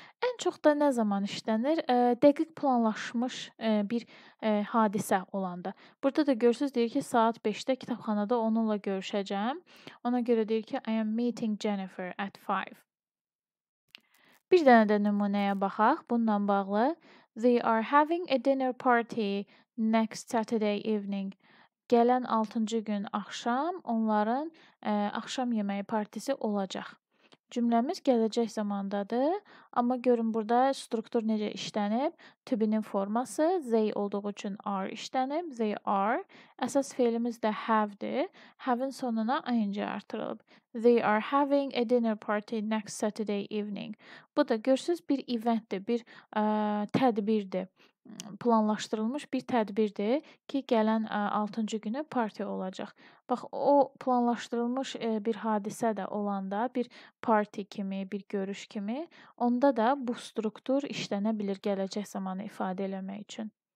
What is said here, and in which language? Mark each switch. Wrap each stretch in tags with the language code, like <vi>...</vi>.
<az>Ən çox da nə zaman işlənir? Dəqiq planlaşmış bir hadisə olanda. Burada da görürsünüz, deyir ki, saat 5-də kitabxanada onunla görüşəcəm. Ona görə deyir ki,</az> <en>I am meeting Jennifer at 5.</en> <az>Bir dənə də nümunəyə baxaq, bununla bağlı.</az> <en>They are having a dinner party next Saturday evening.</en> <az>Gələn 6-cı gün axşam onların axşam yeməyi partisi olacaq. Cümləmiz gələcək zamandadır, amma görün burada struktur necə işlənib. Tübinin forması they olduğu üçün are işlənib.</az> <en>They are.</en> <az>Əsas feilimiz də have-dir. Have-in sonuna ing artırılıb.</az> <en>They are having a dinner party next Saturday evening.</en> <az>Bu da görsüz bir eventdir, bir tədbirdir. Planlaşdırılmış bir tədbirdir ki, gələn 6-cı günü parti olacaq. Bax, o planlaşdırılmış bir hadisə də olanda, bir parti kimi, bir görüş kimi, onda da bu struktur işlənə bilir gələcək zamanı ifadə eləmək üçün.</az>